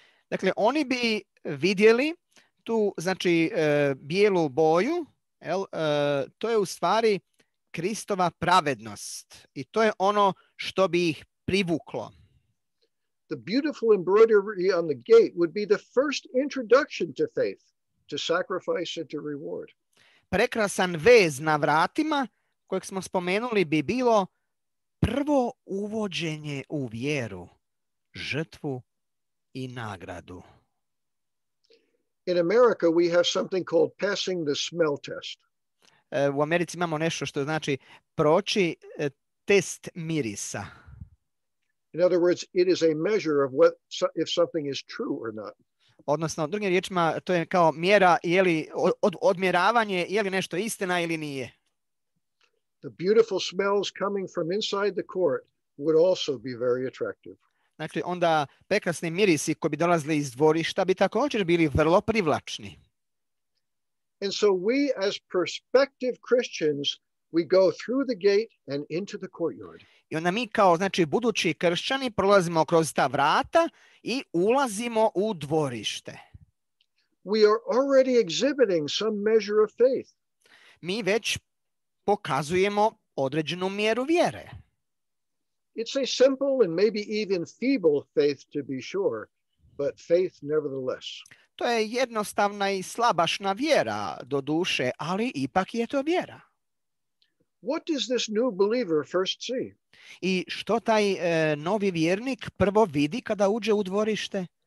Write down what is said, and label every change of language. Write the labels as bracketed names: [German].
[Croatian] Dakle, oni bi vidjeli tu, znači, bijelu boju, jel, to je u stvari Kristova pravednost. I to je ono što bi ih privuklo. [English] The beautiful embroidery on the gate would be the first introduction to faith, to sacrifice and to reward. [Croatian] Prekrasan vez na vratima, kojeg smo spomenuli, bi bilo prvo uvođenje u vjeru, žrtvu i nagradu. [English] In America we have something called passing the smell test. [Croatian] U Americi imamo nešto što znači proći test mirisa. [English] In other words, it is a measure of if something is true or not. [Croatian] odnosno drugim riječima, to je kao mjera, je li odmjeravanje, je li nešto istina ili nije. [English] The beautiful smells coming from inside the court would also be very attractive. [Croatian] Dakle, onda prekrasni mirisi koji bi dolazili iz dvorišta bi također bili vrlo privlačni. [English] And so we as prospective Christians, we go through the gate and into the courtyard. [Croatian] I onda mi kao, znači, budući kršćani prolazimo kroz ta vrata i ulazimo u dvorište. [English] We are already exhibiting some measure of faith. [Croatian] Mi već pokazujemo određenu mjeru vjere. [English] It's a simple and maybe even feeble faith to be sure, but faith nevertheless. [Croatian] To je jednostavna i slabašna vjera do duše, ali ipak je to vjera. [English] What does this new believer first see? [Croatian] I što taj novi vjernik prvo vidi kada uđe u dvorište?